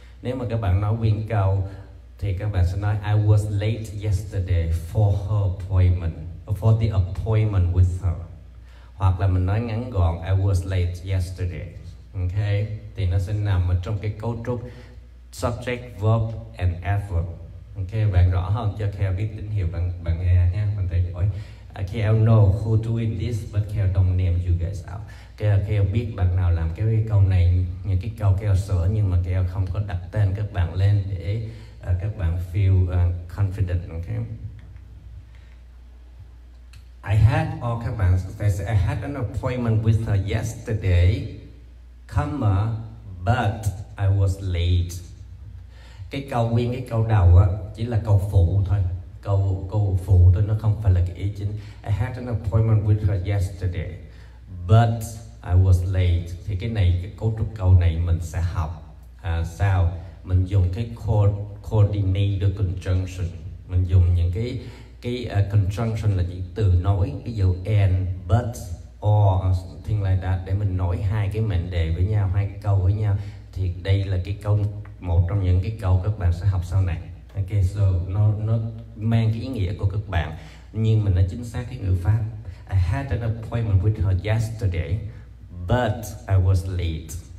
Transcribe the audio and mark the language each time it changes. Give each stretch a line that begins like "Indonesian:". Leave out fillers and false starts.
Vietnamese: Nếu mà các bạn nói nguyên câu thì các bạn sẽ nói
English: I was late yesterday for her appointment, for the appointment with her.
Vietnamese: Hoặc là mình nói ngắn gọn
English: I was late yesterday.
Vietnamese: Okay? Thì nó sẽ nằm ở trong cái cấu trúc subject, verb and adverb. Okay, bạn rõ không? Cho Kheo biết tín hiệu bạn nghe nha. Bạn thấy rồi.
English: Kheo know who doing this but Kheo don't name you guys out.
Vietnamese: Kheo biết bạn nào làm cái câu này, những cái câu Kheo sửa, nhưng mà Kheo không có đặt tên các bạn lên để các bạn
English: feel confident. Okay? I had, or
Vietnamese: các bạn
English: say, I had an appointment with her yesterday, comma, but I was late.
Vietnamese: Cái câu nguyên, cái câu đầu á, chỉ là câu phụ thôi. Câu phụ thôi, nó không phải là cái ý chính.
English: I had an appointment with her yesterday, but I was late.
Vietnamese: Thì cái này, cái cấu trúc câu này mình sẽ học. Sao? Mình dùng cái coordinated conjunction. Mình dùng những cái conjunction là những từ nối, ví dụ and, but, or, things like that, để mình nối hai cái mệnh đề với nhau, hai cái câu với nhau. Thì đây là cái câu, một trong những cái câu các bạn sẽ học sau này. Ok, so nó mang cái ý nghĩa của các bạn, nhưng mà nó chính xác cái ngữ pháp.
English: I had an appointment with her yesterday, but I was late.